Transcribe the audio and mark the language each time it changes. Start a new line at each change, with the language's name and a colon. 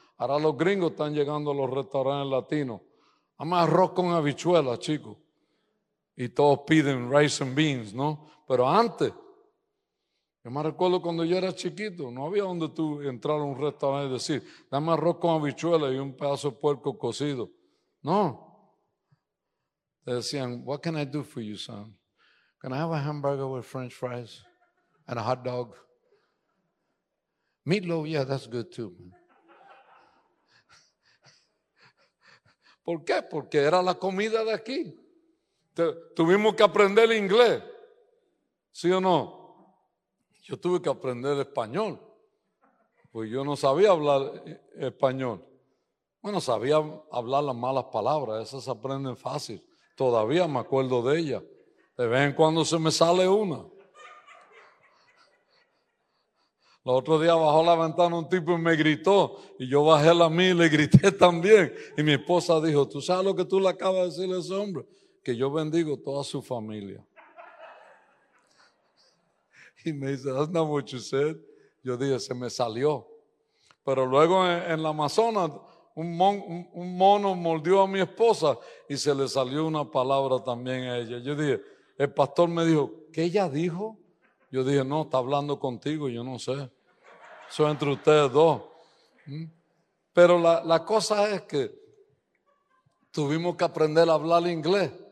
Spanish: Ahora los gringos están llegando a los restaurantes latinos. Además, arroz con habichuelas, chicos. Y todos piden
English: rice and beans,
Spanish: ¿no? Pero antes, yo me recuerdo cuando yo era chiquito, no había donde tú entrar a un restaurante y decir, dame arroz con habichuelas y un pedazo de puerco cocido. No. Te decían,
English: what can I do for you, son? Can I have a hamburger with french fries and a hot dog? Meatloaf, yeah, that's good too, man.
Spanish: ¿Por qué? Porque era la comida de aquí. Tuvimos que aprender inglés. ¿Sí o no? Yo tuve que aprender español. Pues yo no sabía hablar español. Bueno, sabía hablar las malas palabras. Esas se aprenden fácil. Todavía me acuerdo de ellas. De vez en cuando se me sale una. El otro día bajó la ventana un tipo y me gritó. Y yo bajé la mía y le grité también. Y mi esposa dijo, ¿tú sabes lo que tú le acabas de decir a ese hombre? Que yo bendigo toda su familia. Y me dice,
English: that's not what you said.
Spanish: Yo dije, se me salió. Pero luego en la Amazonas, un mono mordió a mi esposa y se le salió una palabra también a ella. Yo dije, el pastor me dijo, ¿qué ella dijo? Yo dije, no, está hablando contigo, yo no sé. Eso es entre ustedes dos. Pero la cosa es que tuvimos que aprender a hablar inglés.